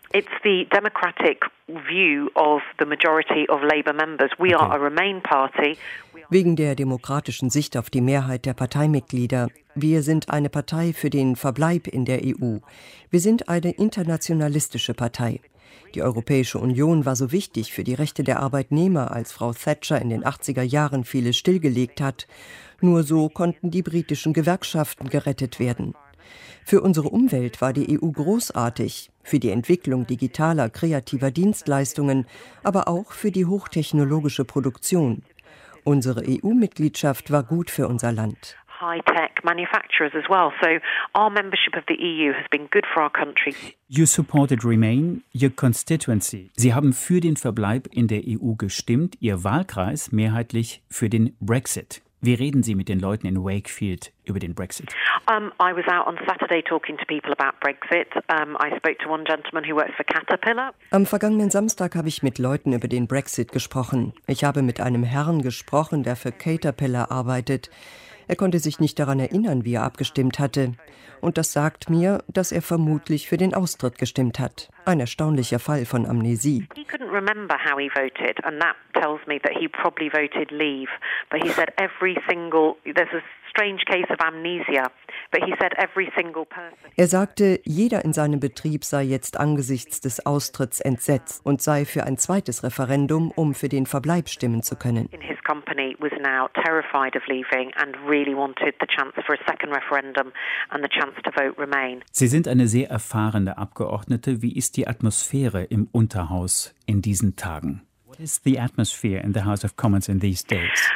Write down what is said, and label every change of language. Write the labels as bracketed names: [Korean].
[English] It's the democratic view of the majority of Labour members. We are a Remain party. [German] Wegen der demokratischen Sicht auf die Mehrheit der Parteimitglieder. Wir sind eine Partei für den Verbleib in der EU. Wir sind eine internationalistische Partei. Die Europäische Union war so wichtig für die Rechte der Arbeitnehmer, als Frau Thatcher in den 80er Jahren vieles stillgelegt hat. Nur so konnten die britischen Gewerkschaften gerettet werden. Für unsere Umwelt war die EU großartig, für die Entwicklung digitaler, kreativer Dienstleistungen, aber auch für die hochtechnologische Produktion. Unsere EU-Mitgliedschaft war gut für unser Land. [English] High-tech manufacturers as well. So our membership of the EU has been good for our country. You supported Remain, your constituency. [German] Sie haben für den Verbleib in der EU gestimmt, Ihr Wahlkreis mehrheitlich für den Brexit. Wie reden Sie mit den Leuten in Wakefield über den Brexit? [English] I was out on Saturday talking to people about Brexit. I spoke to one gentleman who works for Caterpillar. [German] Am vergangenen Samstag habe ich mit Leuten über den Brexit gesprochen. Ich habe mit einem Herrn gesprochen, der für Caterpillar arbeitet. Er konnte sich nicht daran erinnern, wie er abgestimmt hatte. Und das sagt mir, dass er vermutlich für den Austritt gestimmt hat. Ein erstaunlicher Fall von Amnesie. [English] He couldn't remember how he voted, and that tells me that he probably voted leave. But he said every single there's a strange case of amnesia. But he said every single person. [German] Er sagte, jeder in seinem Betrieb sei jetzt angesichts des Austritts entsetzt und sei für ein zweites Referendum, um für den Verbleib stimmen zu können. [English] In his company was now terrified of leaving and really wanted the chance for a second referendum and the chance to vote remain. [German] Sie sind eine sehr erfahrene Abgeordnete. Wie ist die Atmosphäre im Unterhaus in diesen Tagen? [English] What is the atmosphere in the House of Commons in these days?